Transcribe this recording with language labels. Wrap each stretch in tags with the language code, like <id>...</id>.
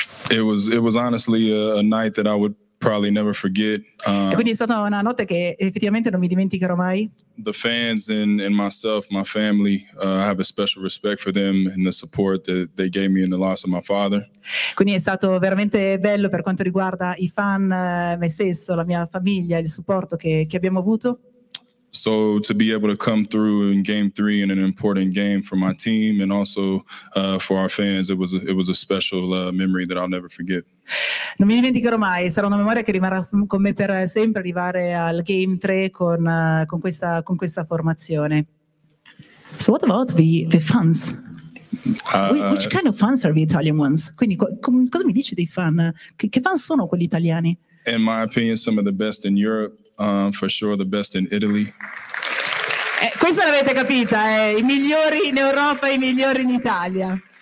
<en>It was honestly a night that I would probably never forget.</en> <it>Quindi è stata una notte che effettivamente non mi dimenticherò mai.</it> <en>The fans and myself, my family, I have a special respect for them and the support that they gave me in the loss of my father.</en> <it>Quindi è stato veramente bello per quanto riguarda i fan, me stesso, la mia famiglia, il supporto che abbiamo avuto.</it> <en>So to be able to come through in game 3 in an important game for my team and also for our fans, it was a special memory that I'll never forget.</en> <it>Non mi dimenticherò mai, sarà una memoria che rimarrà con me per sempre, arrivare al game 3 con questa formazione.</it> <en>So what about the fans? Which kind of fans are the Italian ones?</en> <it>Quindi cosa mi dici dei fan? Che fans sono quelli italiani?</it> <en>In my opinion, some of the best in Europe. For sure the best in Italy.</en> <it>Questa l'avete capita, i migliori in Europa, i migliori in Italia.</it>